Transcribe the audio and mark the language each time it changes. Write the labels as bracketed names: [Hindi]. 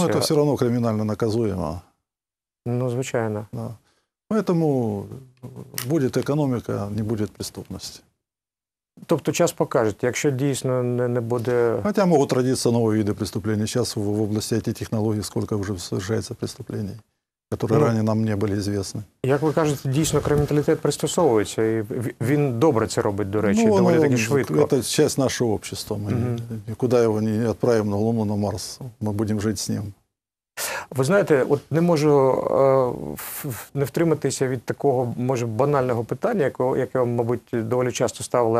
[Russian] Ну, это все равно кримінально наказуемо. [Ukrainian] Ну, звичайно. [Russian] Да. Поэтому будет экономика, не будет преступности. [Ukrainian] Тобто час покаже, якщо дійсно не буде... [Russian] Хотя могут родиться новые виды преступлений. Сейчас в области IT-технологий сколько уже совершается преступлений, которые ранее нам не были известны. [Ukrainian] Як ви кажете, дійсно криміналітет пристосовується, і він добре це робить, до речі, ну, доволі таки швидко. [Russian] Это часть нашего общества. Мы никуда его не отправим на Луну, на Марс. Мы будем жить с ним. [Ukrainian] Ви знаєте, от не можу не втриматися від такого, може, банального питання, яке вам, мабуть, доволі часто ставили.